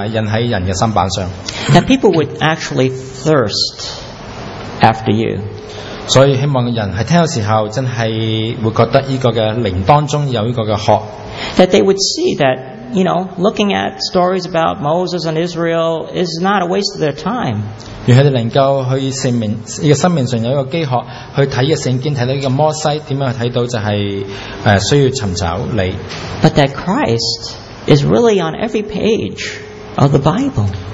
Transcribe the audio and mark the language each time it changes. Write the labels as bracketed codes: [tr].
[zh] 刚才所讲的说话，原来是神你所喜悦的，是在真实的时候，神啊，求你将这个说话印在人的心板上。 [en] That people would actually thirst after you. [zh] 所以希望人在听的时候，真是会觉得这个灵当中有这个渴。 [en] That they would see that, you know, looking at stories about Moses and Israel is not a waste of their time. [zh] 而是能够去生命上有一个机渴，去看这个圣经，看到这个摩西，怎样看到就是需要寻找你。 [en] But that Christ is really on every page of the Bible.